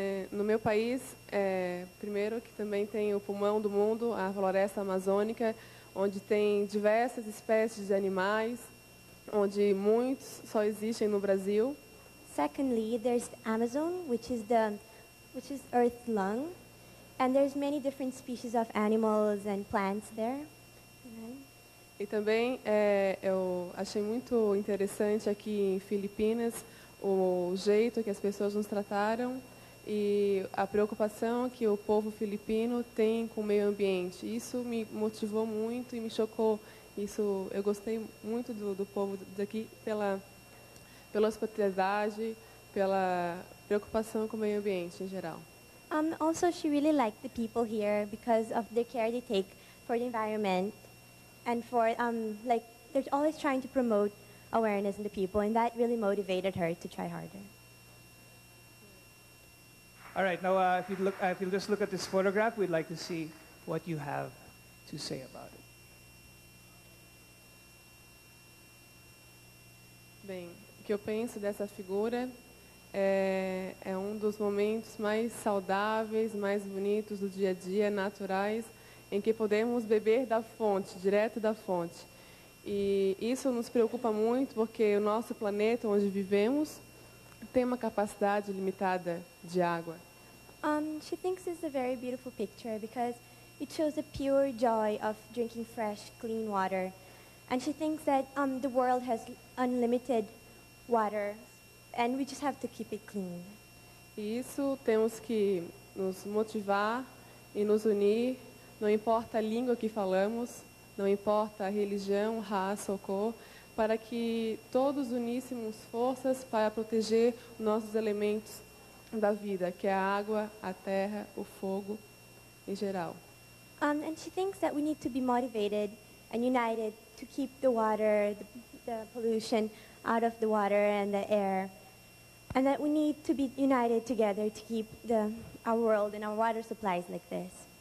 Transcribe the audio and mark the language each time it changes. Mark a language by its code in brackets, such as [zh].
[pt] No meu país, primeiro que também tem o pulmão do mundo, a floresta amazônica, onde tem diversas espécies de animais, onde muitos só existem no Brasil. [en] Secondly, there's the Amazon, which is Earth's lung. And there's many different species of animals and plants there. [pt] E também eu achei muito interessante aqui em Filipinas o jeito que as pessoas nos trataram e a preocupação que o povo filipino tem com o meio ambiente. Isso me motivou muito e me chocou. Isso eu gostei muito do povo daqui pela hospitalidade, pela preocupação com o meio ambiente em geral. [en] Also, she really liked the people here because of the care they take for the environment and for, like, they're always trying to promote awareness in the people, and that really motivated her to try harder. All right, now if you just look at this photograph, we'd like to see what you have to say about it. [pt] Bem, o que eu penso dessa figura? É um dos momentos mais saudáveis, mais bonitos do dia a dia, naturais, em que podemos beber da fonte, direto da fonte. E isso nos preocupa muito, porque o nosso planeta, onde vivemos, tem uma capacidade limitada de água. [en] She thinks it's a very beautiful picture because it shows the pure joy of drinking fresh, clean water, and she thinks that the world has unlimited water. And we just have to keep it clean. [pt] Isso temos que nos motivar e nos unir. Não importa a língua que falamos, não importa a religião, raça ou cor, para que todos uníssemos forças para proteger nossos elementos da vida, que é a água, a terra, o fogo, em geral. [en] And she thinks that we need to be motivated and united to keep the water, the pollution out of the water and the air. And that we need to be united together to keep our world and our water supplies like this.